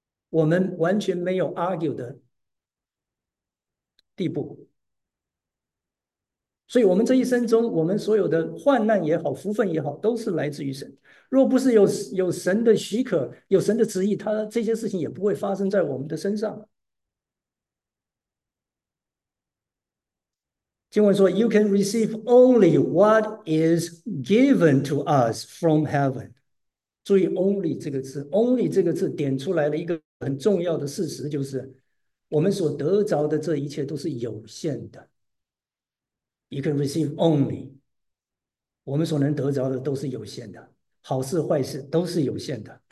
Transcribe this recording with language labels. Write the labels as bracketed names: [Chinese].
[Chinese] 我们完全没有 argue 的地步，所以，我们这一生中，我们所有的患难也好，福分也好，都是来自于神。若不是有神的许可，有神的旨意，他这些事情也不会发生在我们的身上。经文说：“ [English] You can receive only what is given to us from heaven。 [Chinese] ”注意 “only” 这个字，“only” 这个字点出来了一个很重要的事实，就是。我们所得着的这一切都是有限的。 [English] You can receive only。 [Chinese] 我们所能得着的都是有限的，好事坏事都是有限的。